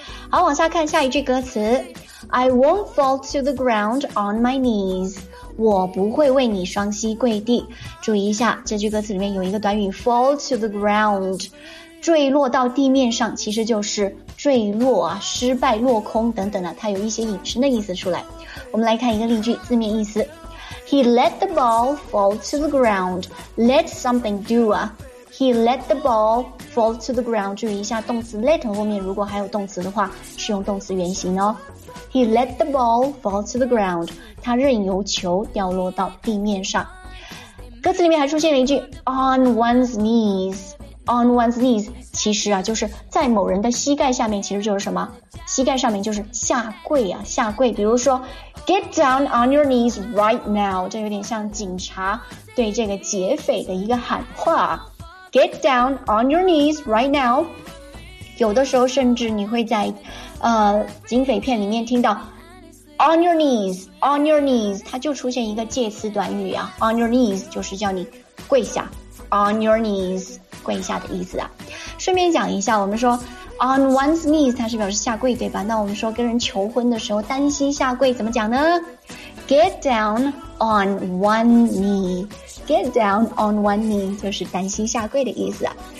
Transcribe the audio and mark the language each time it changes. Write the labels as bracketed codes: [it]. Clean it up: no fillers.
[zh] 好往下看下一句歌词 [en] I won't fall to the ground on my knees [zh] 我不会为你双膝跪地注意一下这句歌词里面有一个短语 fall to the ground 坠落到地面上其实就是坠落啊失败落空等等啊它有一些引申的意思出来我们来看一个例句字面意思 [en] He let the ball fall to the ground Let something do aHe let the ball fall to the ground. [zh] 注意一下动词 let 后面如果还有动词的话是用动词原形哦。 [en] He let the ball fall to the ground. [zh] 他任由球掉落到地面上。歌词里面还出现了一句 [en] On one's knees. [zh] 其实啊就是在某人的膝盖下面其实就是什么膝盖上面就是下跪啊下跪。比如说 [en] Get down on your knees right now. [zh] 这有点像警察对这个劫匪的一个喊话。 [en] Get down on your knees right now. [zh] 有的时候甚至你会在警匪片里面听到 [en] On your knees. [zh] 它就出现一个介词短语啊 On your knees 就是叫你跪下 On your knees 跪下的意思啊顺便讲一下我们说 On one's knees 它是表示下跪对吧那我们说跟人求婚的时候单膝下跪怎么讲呢 [en] Get down on one kneeGet down on one knee [zh] 就是单膝下跪的意思啊。